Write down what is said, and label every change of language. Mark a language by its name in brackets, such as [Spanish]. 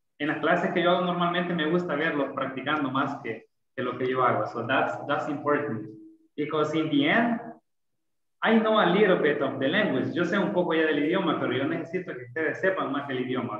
[Spanish] En las clases que yo hago, normalmente me gusta verlos practicando más que lo que yo hago. [English] So that's important. Because in the end, I know a little bit of the language. [Spanish] Yo sé un poco ya del idioma, pero yo necesito que ustedes sepan más el idioma.